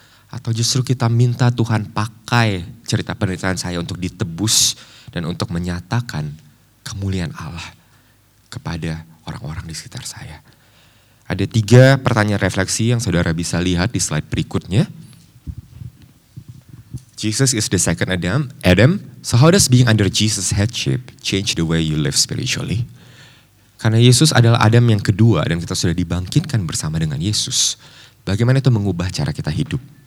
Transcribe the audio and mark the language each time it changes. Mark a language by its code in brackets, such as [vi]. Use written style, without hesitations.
[id] Atau justru kita minta Tuhan pakai cerita penderitaan saya untuk ditebus dan untuk menyatakan kemuliaan Allah kepada orang-orang di sekitar saya? Ada 3 pertanyaan refleksi yang saudara bisa lihat di slide berikutnya. [en] Jesus is the second Adam. Adam, so how does being under Jesus' headship change the way you live spiritually? [id] Karena Yesus adalah Adam yang kedua dan kita sudah dibangkitkan bersama dengan Yesus. Bagaimana itu mengubah cara kita hidup?